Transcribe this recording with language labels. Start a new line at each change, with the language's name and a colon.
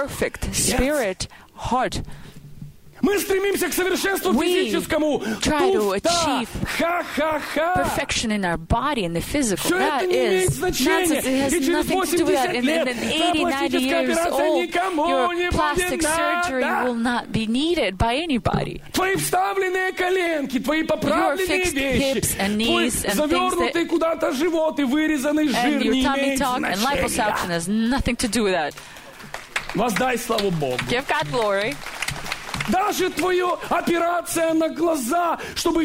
English: spirit, heart.
Russian: Мы стремимся к совершенству физическому. Ха-ха-ха.
English: Perfection in our body and the physical.
Russian: Все это не имеет значения. И через 80 лет пластическая операция никому не будет надо.
English: Your plastic surgery will not be needed by anybody.
Russian: Твои вставленные коленки, твои поправленные вещи, твой завернутый куда-то живот и вырезанный жир не имеет значения. Воздай славу Богу.
English: Give God glory.
Russian: Даже твоя операция на глаза, чтобы